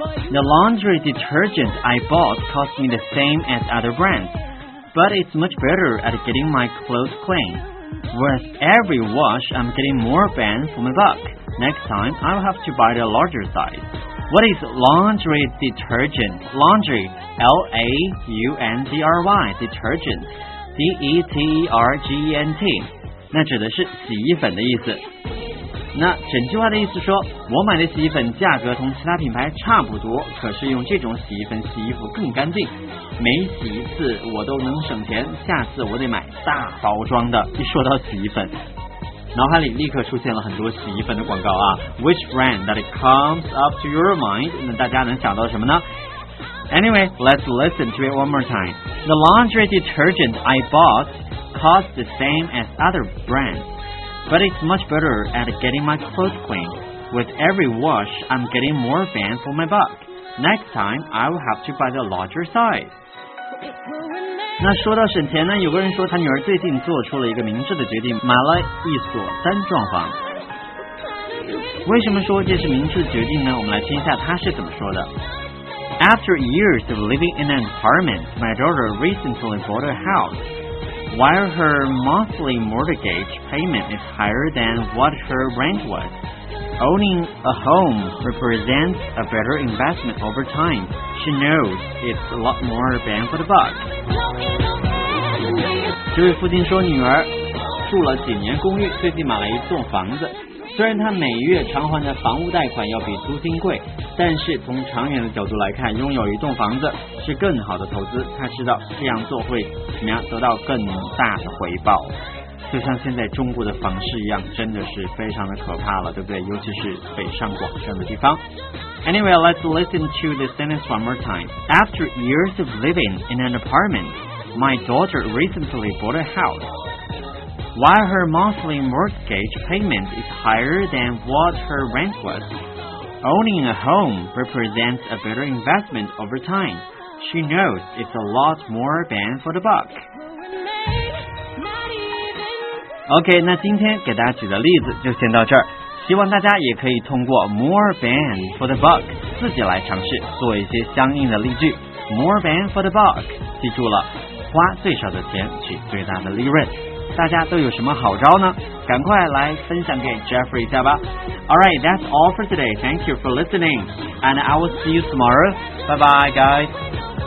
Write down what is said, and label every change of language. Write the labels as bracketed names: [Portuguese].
[English] The laundry detergent I bought cost me the same as other brands, but it's much better at getting my clothes clean. With every wash, I'm getting more bang for my buck. Next time, I'll have to buy the larger size. What is laundry detergent? Laundry, L-A-U-N-D-R-Y, detergent, D-E-T-E-R-G-E-N-T, [Chinese] 那指的是洗衣粉的意思。那整句话的意思说，我买的洗衣粉价格同其他品牌差不多，可是用这种洗衣粉洗衣服更干净，每洗一次我都能省钱，下次我得买大包装的。一说到洗衣粉，脑海里立刻出现了很多洗衣粉的广告啊。 [English] Which brand that it comes up to your mind? [Chinese] 那大家能想到什么呢？ [English] Anyway, let's listen to it one more time. The laundry detergent I bought costs the same as other brands, but it's much better at getting my clothes clean. With every wash, I'm getting more bang for my buck. Next time, I'll have to buy the larger size. [Chinese] 那说到省钱呢，有个人说他女儿最近做出了一个明智的决定，买了一所单幢房。为什么说这是明智决定呢？我们来听一下他是怎么说的。 [English] After years of living in an apartment, my daughter recently bought a house. While her monthly mortgage payment is higher than what her rent was, owning a home represents a better investment over time. She knows it's a lot more bang for the buck. [Chinese] 这位父亲说，女儿住了几年公寓，最近买了一栋房子，虽然她每月偿还的房屋贷款要比租金贵，但是从长远的角度来看，拥有一栋房子是更好的投资，她知道这样做会怎么样得到更大的回报。就像现在中国的房市一样，真的是非常的可怕了，对不对？尤其是北上广深的地方。 [English] Anyway, let's listen to the sentence one more time. After years of living in an apartmentMy daughter recently bought a house. While her monthly mortgage payment is higher than what her rent was, owning a home represents a better investment over time. She knows it's a lot more bang for the buck. [Chinese] OK, 那今天给大家举的例子就先到这儿。希望大家也可以通过 more bang for the buck 自己来尝试做一些相应的例句。 More bang for the buck, 记住了。花最少的钱取最大的利润，大家都有什么好招呢？赶快来分享给 Jeffrey 一下吧。 [English] Alright, that's all for today. Thank you for listening. And I will see you tomorrow. Bye bye guys.